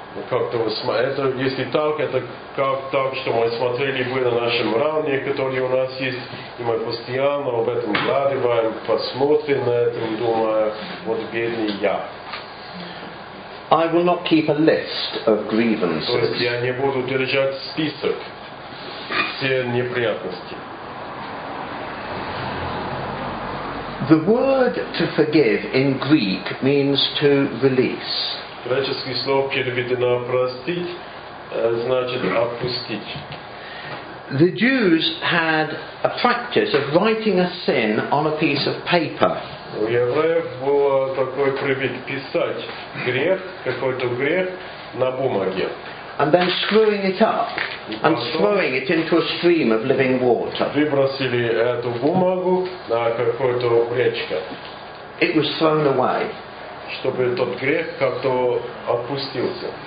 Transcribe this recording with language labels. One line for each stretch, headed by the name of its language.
Russian: Как-то это, если так, это как так, что мы смотрели бы на нашем ране, который у нас есть, и мы постоянно об этом гладиваем, посмотрим на это, думая, вот бедный я.
English: I will not keep a list of grievances.
Russian: То есть я не буду держать список все неприятности.
English: The word to forgive in Greek means to release.
Russian: Греческое слово переведено «простить» значит «отпустить».
English: The Jews had a practice of writing a sin on a piece of paper.
Russian: У евреев было такой привет писать грех, какой-то грех на бумаге.
English: And then screwing it up and throwing it into a stream of living water.
Russian: Выбросили эту бумагу на какую-то речку.
English: It was thrown away.
Russian: Чтобы тот грех как-то опустился.